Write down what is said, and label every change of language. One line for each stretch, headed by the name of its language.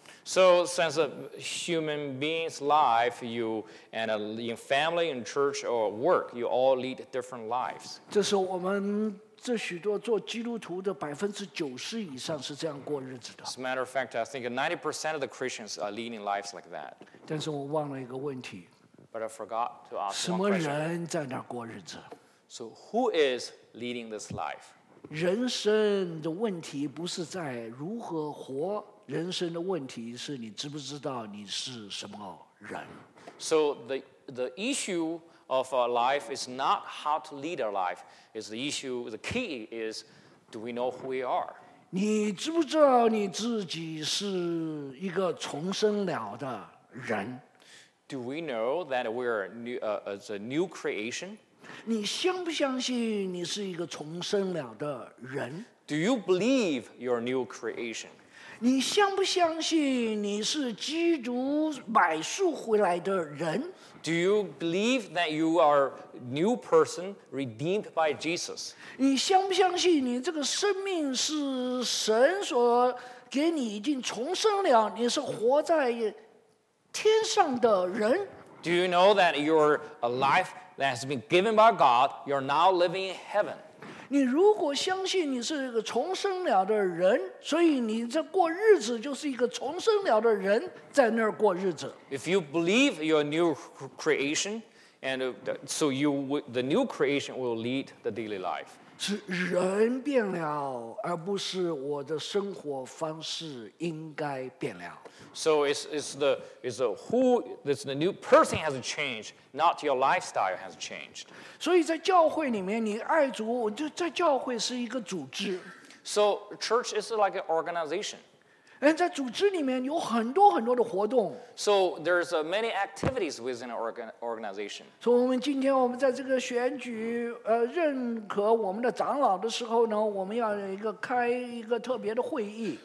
English: So, since a human being's life, you and in family, in church, or work, you all lead different lives.
Chinese: 这是我们这许多做基督徒的90%以上是这样过日子的。
English: As a matter of fact, I think 90% of the Christians are leading lives like that.
Chinese: 但是我忘了一个问题。
English: But I forgot to ask one question.
Chinese: 什么人在那过日子？
English: So who is leading this life?
Chinese: 人生的问题不是在如何活，人生的问题是你知不知道你是什么人。
English: So the issue of our life is not how to lead our life. It's the issue, the key is, do we know who we are?
Chinese: 你知不知道你自己是一个重生了的人？
English: Do we know that we are as a new creation?
Chinese: 你相不相信你是一个重生了的人？
English: Do you believe you're a new creation?
Chinese: 你相不相信你是基督买赎回来的人？
English: Do you believe that you are a new person redeemed by Jesus?
Chinese: 你相不相信你这个生命是神所给你已经重生了，你是活在天上的人？
English: Do you know that you're a life that has been given by God, you're now living in heaven?
Chinese: 你如果相信你是一个重生了的人，所以你这过日子就是一个重生了的人在那儿过日子。
English: If you believe you're a new creation, and so you, the new creation will lead the daily life.
Chinese: 是人变了，而不是我的生活方式应该变了。
English: So it's the who that's the new person has changed, not your lifestyle has changed.
Chinese: 所以在教会里面，你爱主，就在教会是一个组织。
English: So church is like an organization.
Chinese: 嗯，在组织里面有很多很多的活动。
English: So there's many activities within an organization.
Chinese: 从我们今天我们在这个选举认可我们的长老的时候呢，我们要有一个开一个特别的会议。